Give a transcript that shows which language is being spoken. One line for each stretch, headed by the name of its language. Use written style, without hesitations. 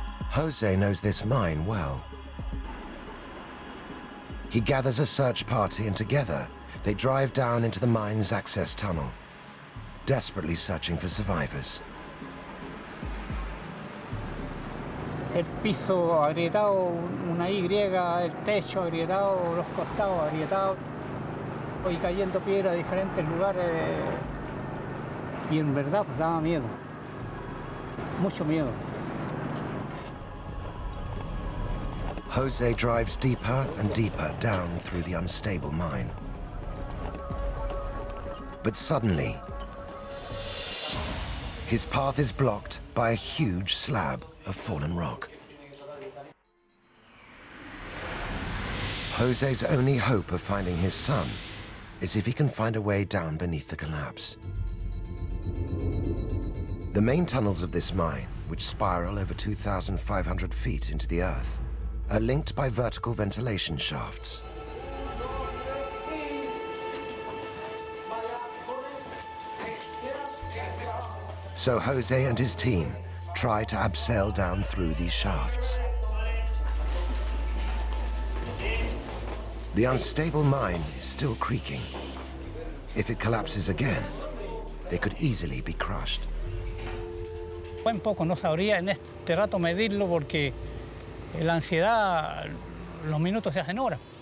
English: Jose knows this mine well. He gathers a search party and together they drive down into the mine's access tunnel, desperately searching for survivors.
Spanish: El piso agrietado, una Y, el techo agrietado, los costados agrietados, y cayendo piedra a diferentes lugares. Y en verdad pues, daba miedo, mucho miedo.
English: Jose drives deeper and deeper down through the unstable mine. But suddenly, his path is blocked by a huge slab of fallen rock. Jose's only hope of finding his son is if he can find a way down beneath the collapse. The main tunnels of this mine, which spiral over 2,500 feet into the earth, are linked by vertical ventilation shafts. So Jose and his team try to abseil down through these shafts. The unstable mine is still creaking. If it collapses again, they could easily be crushed.
Spanish: Un poco no sabría en este rato medirlo porque la ansiedad, los minutos se hacen horas.